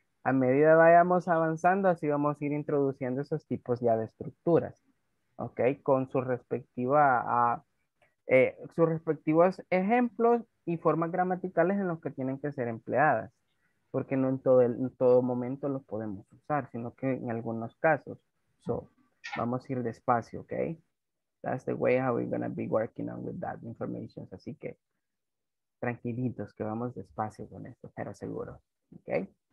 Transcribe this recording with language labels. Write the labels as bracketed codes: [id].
[es] A medida vayamos avanzando, así vamos a ir introduciendo esos tipos ya de estructuras. Ok. Con sus respectivos ejemplos y formas gramaticales en los que tienen que ser empleadas. Porque no en todo momento los podemos usar, sino que en algunos casos. So, vamos a ir despacio, ¿ok? [en] That's the way how we're going to be working on with that information. [es] Así que, tranquilitos, que vamos despacio con esto, pero seguro, ¿ok?